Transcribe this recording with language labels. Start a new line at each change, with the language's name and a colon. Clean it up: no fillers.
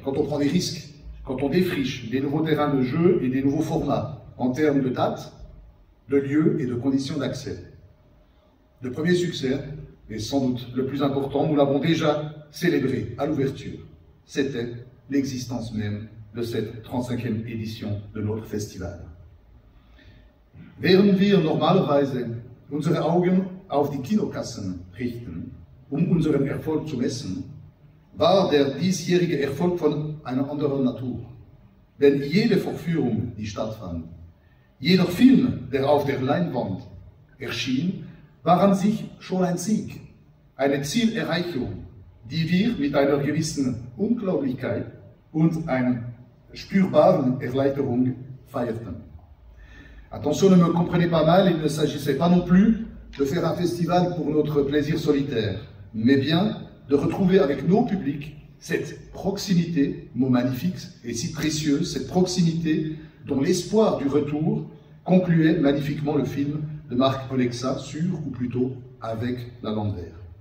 French: Quand on prend des risques, quand on défriche des nouveaux terrains de jeu et des nouveaux formats en termes de date, de lieu et de conditions d'accès. Le premier succès, et sans doute le plus important, nous l'avons déjà célébré à l'ouverture. C'était l'existence même de cette 35e édition de notre festival.
German: Während wir normalerweise unsere Augen auf die Kinokassen richten, unseren Erfolg zu messen, war der diesjährige Erfolg von einer anderen Natur. Denn jede Vorführung, die stattfand, jeder Film, der auf der Leinwand erschien, war an sich schon ein Sieg, eine Zielerreichung, die wir mit einer gewissen Unglaublichkeit und einer spürbaren Erleichterung feierten.
French: Attention, ne me comprenez pas mal, il ne s'agissait pas non plus de faire un festival pour notre plaisir solitaire, mais bien de retrouver avec nos publics cette proximité, mot magnifique et si précieux, cette proximité dont l'espoir du retour concluait magnifiquement le film de Marc Polexa sur, ou plutôt avec, la Lande Verte.